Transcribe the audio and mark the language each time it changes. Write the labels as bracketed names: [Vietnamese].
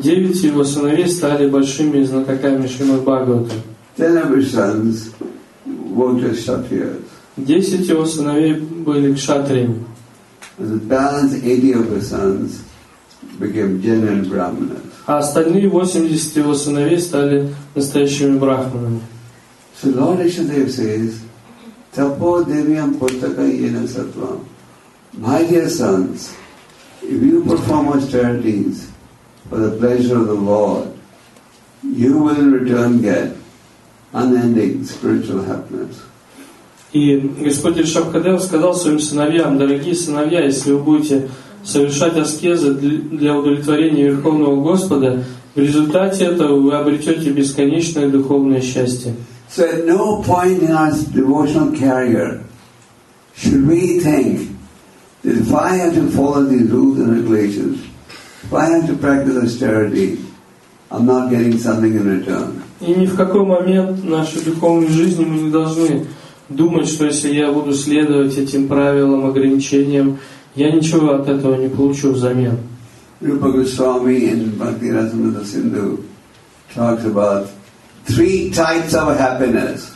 [Russian] 9 его сыновей стали большими знатоками Шримад Бхагаватам. [English] Ten of his sons were kshatriyas. [Russian] 10 его сыновей были кшатриями. [English] The balance 80 of his sons became genuine brahmanas. [Russian] А остальные 80 его сыновей стали настоящими брахманами. [English] So Lord Ishadev says, Tapo Deviam Purtaka Yena Sattva. My dear sons, if you perform austerities for the pleasure of the Lord, you will in return get unending spiritual happiness. [Russian] И Господь Ришабхадев сказал своим сыновьям, дорогие сыновья, если вы будете совершать аскезы для удовлетворения Верховного Господа, в результате этого вы обретете бесконечное духовное счастье. [English] So at no point in our devotional career should we think that if I have to follow these rules and regulations, if I have to practice austerity, I'm not getting something in return. [Russian] И ни в какой момент нашей духовной жизни мы не должны думать, что если я буду следовать этим правилам, ограничениям, я ничего от этого не получу взамен. [English] Rupa Goswami in Bhakti Rasamrita Sindhu talks about three types of happiness.